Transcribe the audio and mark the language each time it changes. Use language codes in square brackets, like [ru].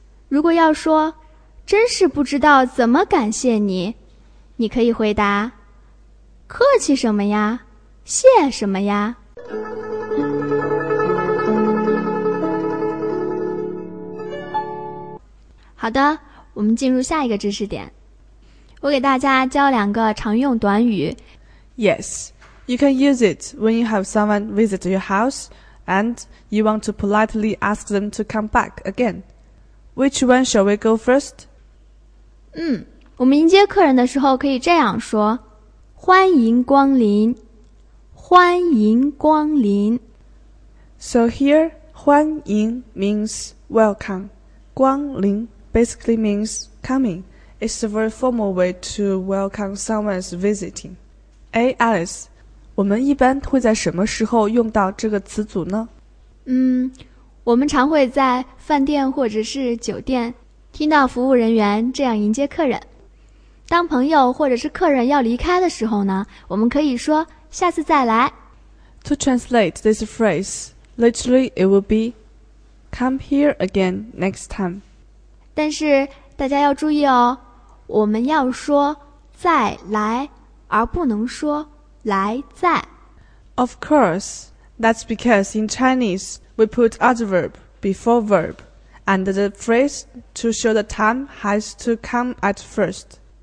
[zh] 如果要说真是不知道怎么感谢你，你可以回答客气什么呀？谢什么呀？好的，我们进入下一个知识点。我给大家教两个常用短语。 [en] Yes, you can use it when you have someone visit your house and you want to politely ask them to come back again. Which one shall we go first? [zh] 我们迎接客人的时候可以这样说，欢迎光临，欢迎光临。 [en] So here, 欢迎 means welcome, 光临basically means coming. It's a very formal way to welcome someone's visiting. [zh] Hey, Alice, 我们一般会在什么时候用到这个词组呢？我们常会在饭店或者是酒店听到服务人员这样迎接客人。当朋友或者是客人要离开的时候呢，我们可以说下次再来。 [en] To translate this phrase, literally it will be come here again next time. [zh] 但是大家要注意哦，我们要说再来，而不能说来再。 [en] Of course, that's because in Chinese we put adverb before verb, and the phrase to show the time has to come at first.